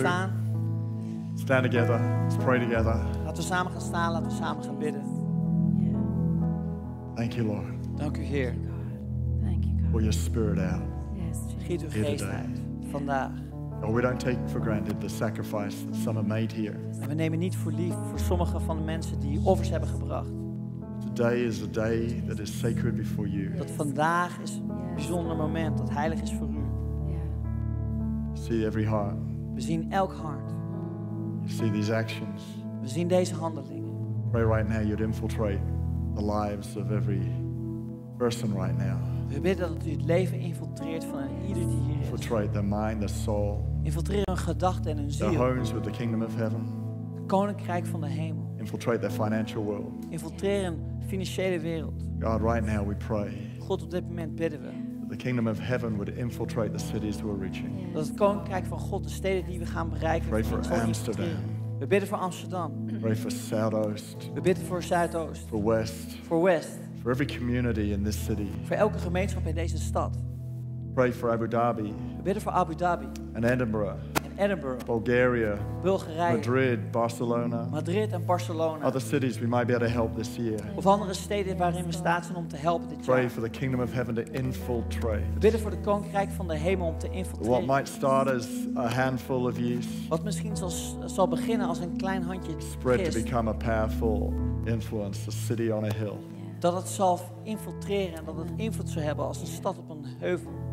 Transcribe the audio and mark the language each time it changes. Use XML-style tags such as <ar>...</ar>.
<nl>Staan.</nl> <en>Stand together. Let's pray together.</en> <nl>Laten we samen gaan staan. Laten we samen gaan bidden.</nl> <en>Yeah. Thank you, Lord.</en> <nl>Dank u, Heer.</nl> <en>Thank you, God. Pour your Spirit out. Yes.</en> <nl>Giet uw geest uit vandaag.</nl> <en>Oh, we don't take for granted the sacrifice that some have made here.</en> <nl>En we nemen niet voor lief voor sommige van de mensen die offers hebben gebracht.</nl> <en>Today is a day that is sacred before you.</en> <nl>Dat vandaag is een bijzonder moment dat heilig is voor u.</nl> <en>Yes. see every heart.</en> <nl>We zien elk hart.</nl> <en>You see these actions.</en> <nl>We zien deze handelingen.</nl> <en>Pray right now you'd infiltrate the lives of every person right now.</en> <nl>We bidden dat u het leven infiltreert van ieder die hier is.</nl> <en>Infiltrate their mind, their soul.</en> <nl>Infiltreer hun gedachten en hun ziel.</nl> <en>Their homes with the kingdom of heaven.</en> <nl>Het koninkrijk van de hemel.</nl> <en>Infiltrate their financial world.</en> <nl>Infiltreer hun financiële wereld.</nl> <en>God, right now we pray.</en> <nl>God, op dit moment bidden we.</nl> <en>The kingdom of heaven would infiltrate the cities we're reaching.</en> <nl>Dat het koninkrijk van God de steden die we gaan bereiken.</nl> <en>Pray for Amsterdam.</en> <nl>We bidden voor Amsterdam.</nl> <en>Pray for Zuidoost.</en> <nl>We bidden voor Zuidoost.</nl> <en>For West. For West. For every community in this city.</en> <nl>Voor elke gemeenschap in deze stad.</nl> <en>Pray for Abu Dhabi.</en> <nl>We bidden voor Abu Dhabi.</nl> <en>And Edinburgh. And Edinburgh. Bulgaria.</en> <nl>Bulgarije.</nl> <en>Madrid, Barcelona.</en> <nl>Madrid en Barcelona.</nl> <en>Other cities we might be able to help this year.</en> <nl>Of andere steden waarin we staat zijn om te helpen dit jaar.</nl> <en>Pray for the kingdom of heaven to infiltrate.</en> <nl>We bidden voor het koninkrijk van de hemel om te infiltreren.</nl> <en>What might start as a handful of yeast.</en> <nl>Wat misschien zal beginnen als een klein handje gist.</nl> <en>Spread to become a powerful influence, a city on a hill.</en> <nl>Dat het zal infiltreren en dat het invloed zou hebben als een stad op een heuvel.</nl>